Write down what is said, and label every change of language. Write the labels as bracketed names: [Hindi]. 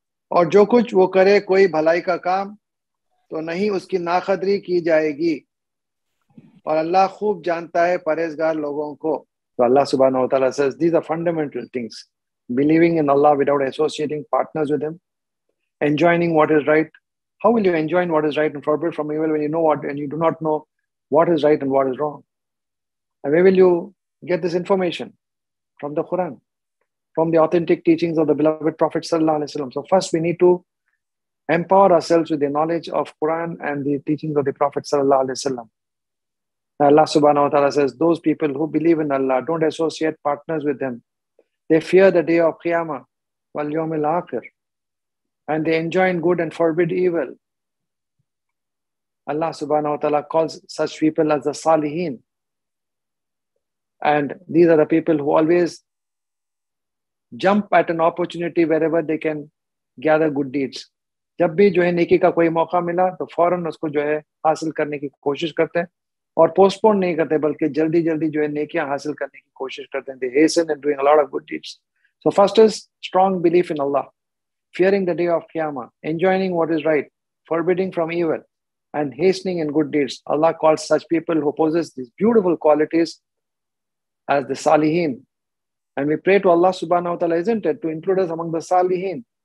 [Urdu] اور جو کچھ وہ کرے کوئی بھلائی کا کام تو نہیں اس کی ناقدری کی جائے گی, اور اللہ خوب جانتا ہے پرہیزگار لوگوں کو. [English] تو اللہ سبحانہ وتعالیٰ says these are fundamental things. Believing in Allah without associating partners with Him, enjoining what is right. How will you enjoin what is right and forbid from evil when you know what and you do not know what is right and what is wrong? And where will you get this information? From the Quran, from the authentic teachings of the beloved Prophet sallallahu alaihi wasallam. So first we need to empower ourselves with the knowledge of Quran and the teachings of the Prophet sallallahu alaihi wasallam. Allah subhanahu wa ta'ala says those people who believe in Allah, don't associate partners with them. They fear the day of Qiyamah, wal yawm al akhir, and they enjoin good and forbid evil. Allah subhanahu wa ta'ala calls such people as the Salihin. And these are the people who always jump at an opportunity wherever they can gather good deeds. [Urdu] جب بھی جو ہے نیکی کا کوئی موقع ملا تو فوراً اس کو جو ہے حاصل کرنے کی کوشش کرتے ہیں اور پوسٹ پون نہیں کرتے بلکہ جلدی جلدی جو ہے نیکیاں حاصل کرنے کی کوشش کرتے ہیں. [English] They hasten and doing a lot of good deeds. So first is strong belief in Allah, fearing the day of Qiyamah, enjoining what is right, forbidding from evil, and hastening in good deeds. Allah calls such people who possess these beautiful qualities as the Salihin. And we pray to Allah subhanahu wa ta'ala, isn't it, to include us among the Salihin.